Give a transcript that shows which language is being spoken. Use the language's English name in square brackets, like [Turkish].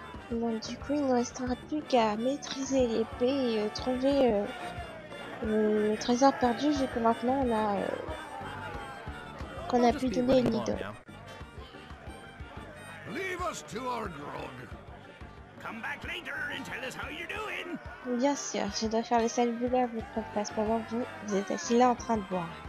[French] Bon, du coup il ne restera plus qu'à maîtriser l'épée et trouver le trésor perdu vu que maintenant on a qu'on a pu donner une idole. [English] Leave us to our grog. Come back later and tell us how you're doing. [French] Bien sûr, je dois faire les sales boulot à votre place pendant que vous, vous êtes assis là en train de boire.